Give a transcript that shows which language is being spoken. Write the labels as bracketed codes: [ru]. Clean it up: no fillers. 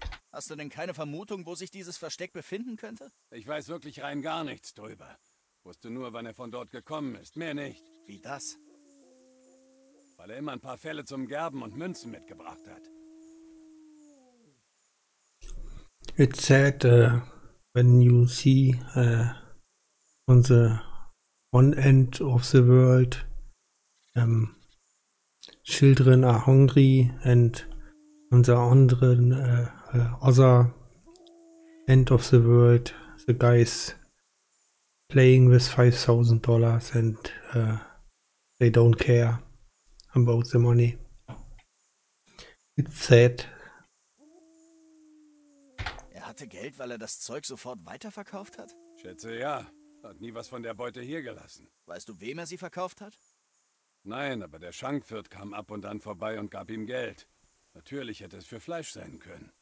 [de] Hast du denn keine Vermutung, wo sich dieses Versteck befinden könnte? Ich weiß wirklich rein gar nichts drüber. Wusste nur, wann er von dort gekommen ist. Mehr nicht. Wie das? Weil er immer ein paar Fälle zum Gerben und Münzen mitgebracht hat. [en] It's sad, when you see on the one end of the world, children are hungry and on the other end of the world, the guys playing with $5,000 and they don't care about the money. It's sad. [de] Er hatte Geld, weil er das Zeug sofort weiterverkauft hat? Schätze, ja. Hat nie was von der Beute hier gelassen. Weißt du, wem er sie verkauft hat? Nein, aber der Schankwirt kam ab und an vorbei und gab ihm Geld. Natürlich hätte es für Fleisch sein können.